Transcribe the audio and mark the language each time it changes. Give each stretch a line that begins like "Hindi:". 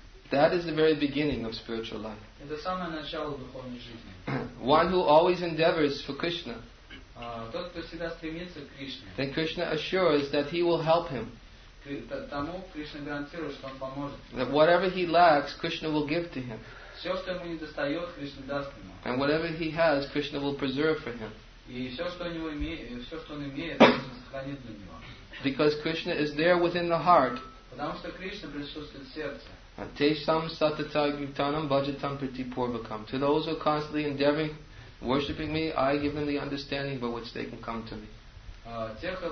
English: That is the very beginning of spiritual life.
Russian: Это самое начало духовной жизни.
English: One who always endeavors for Krishna.
Russian: Тот, кто всегда стремится к Кришне.
English: Then Krishna assures that he will help him.
Russian: Тому Кришна гарантирует, что он поможет.
English: That whatever he lacks, Krishna will give to him.
Russian: Все, что ему недостает, Кришна даст ему.
English: And whatever he has, Krishna will preserve for him.
Russian: И все, что у него имеет, все, что он имеет, Кришна сохранит для него.
English: Because Krishna is there within the heart.
Russian: Потому что Кришна присутствует в сердце.
Sanskrit: Tesham satata yutanam bhajatam pritipurvakam.
English: To those who are constantly endeavoring, worshipping me, I give them the understanding by which they can come to me.